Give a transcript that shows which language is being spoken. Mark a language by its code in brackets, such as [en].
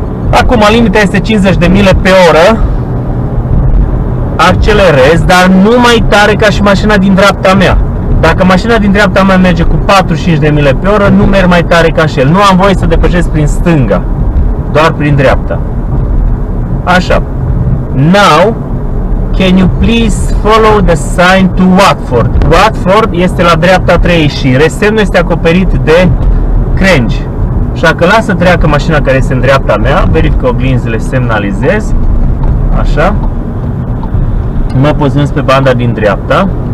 [ro] Acum limita este 50 de mile pe oră, accelerez, dar nu mai tare ca și mașina din dreapta mea. Dacă mașina din dreapta mea merge cu 45 de mile pe oră, nu merg mai tare ca și el. Nu am voie să depășesc prin stânga, doar prin dreapta. Așa. [en] Now, can you please follow the sign to Watford? [ro] Watford este la dreapta 3 și semnul este acoperit de crengi. Așa că las să treacă mașina care este în dreapta mea, verific oglinzile, semnalizez. Așa. Mă poziționez pe banda din dreapta.